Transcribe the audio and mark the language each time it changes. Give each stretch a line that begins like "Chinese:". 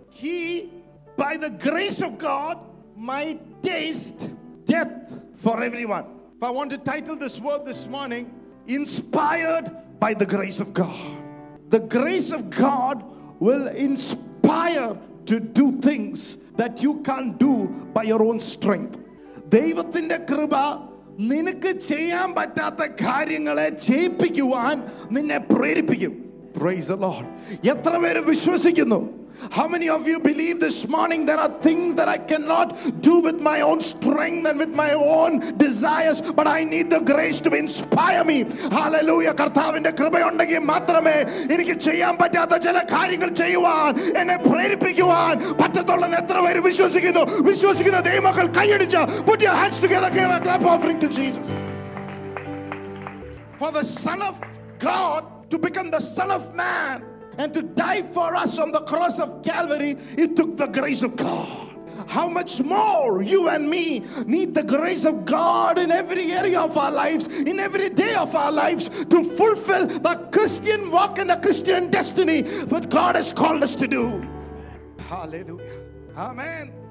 English: If I want to title this word this morning, inspired by the grace of God. The grace of God will inspire to do things that you can't do by your own strength.
Malayalam: ദൈവത്തിന്റെ കൃപ നിനക്ക് ചെയ്യാൻ പറ്റാത്ത കാര്യങ്ങളെ ചെയ്യിപ്പിക്കുവാൻ നിന്നെ പ്രേരിപ്പിക്കും.
English: Praise the Lord.
Malayalam: എത്ര പേര് വിശ്വസിക്കുന്നു?
English: How many of you believe this morning there are things that I cannot do with my own strength and with my own desires, but I need the grace to inspire me? Hallelujah.
Malayalam: കർത്താവിന്റെ കൃപയുണ്ടെങ്കിൽ മാത്രമേ എനിക്ക് ചെയ്യാൻ പറ്റാത്ത ചില കാര്യങ്ങൾ ചെയ്യുവാൻ എന്നെ പ്രേരിപ്പിക്കുവാൻ പറ്റത്തുള്ളൂ. എത്ര പേര് വിശ്വസിക്കുന്നു? വിശ്വസിക്കുന്ന ദൈവമക്കൾ കൈയടിച്ച്
English: put your hands together, give a clap offering to Jesus. For the Son of God to become the Son of Man and to die for us on the cross of Calvary, it took the grace of God. How much more you and me need the grace of God in every area of our lives, in every day of our lives, to fulfill the Christian walk and the Christian destiny that God has called us to do. Hallelujah. Amen.